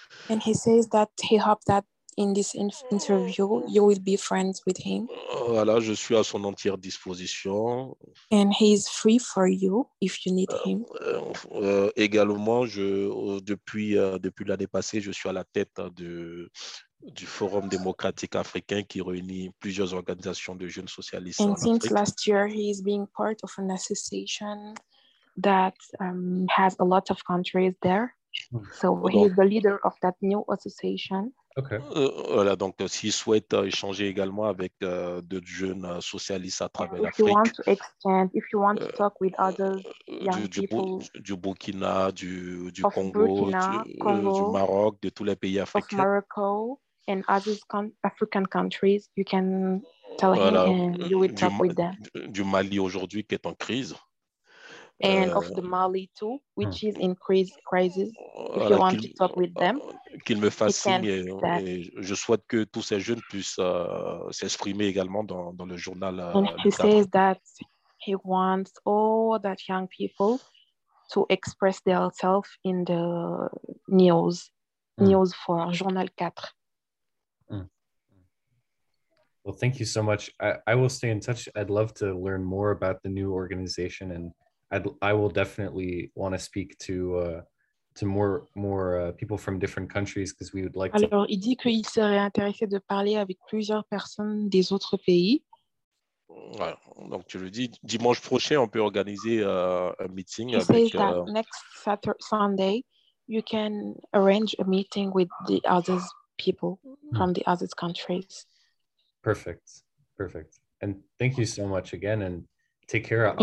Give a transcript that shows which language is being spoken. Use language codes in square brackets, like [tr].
[en] And he says that he hopes that in this interview you will be friends with him. [fr] Voilà, je suis à son entière disposition. [en] And he is free for you if you need him. [fr] Également, depuis l'année passée, je suis à la tête du Forum démocratique africain qui réunit plusieurs organisations de jeunes socialistes en Afrique. [en] And since last year, he is being part of an association that has a lot of countries there. So he is the leader of that new association. Okay. [fr] Voilà, donc s'il souhaite échanger également avec d'autres jeunes socialistes à travers l'Afrique. [en] If you want to exchange, if you want to talk with other young people. [fr] Du Burkina, du Congo, du Maroc, de tous les pays africains. [en] Of Morocco and other African countries, you can tell him and you will talk with them. [fr] Du Mali aujourd'hui qui est en crise. [en] And of the Mali too, which is in crisis. If you want to talk with them, [fr] qu'il me fasse signe. Je souhaite que tous ces jeunes puissent s'exprimer également dans le journal. [en] And he says that he wants all that young people to express themselves in the news, news for Journal 4. Well, thank you so much. I will stay in touch. I'd love to learn more about the new organization, and I will definitely want to speak to more people from different countries, because we would like to. [fr] Alors, il dit qu'il serait intéressé de parler avec plusieurs personnes des autres pays. Ouais, donc tu le dis, dimanche prochain, on peut organiser un meeting. [en] He says that next Sunday, you can arrange a meeting with the other people from the other countries. Perfect, perfect. And thank you so much again, and take care.